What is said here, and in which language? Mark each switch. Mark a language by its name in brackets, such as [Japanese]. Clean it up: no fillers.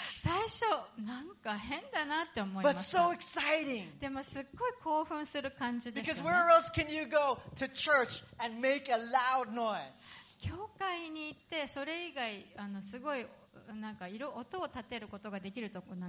[Japanese] 最初なんか変だなって思いました。 [English] But so exciting. [Japanese] でもすっごい興奮する感じですね。 [English] Because where else can you go to church and make a loud noise? [Japanese] 教会に行ってそれ以外あのすごいなんか色音を立てることができるところなん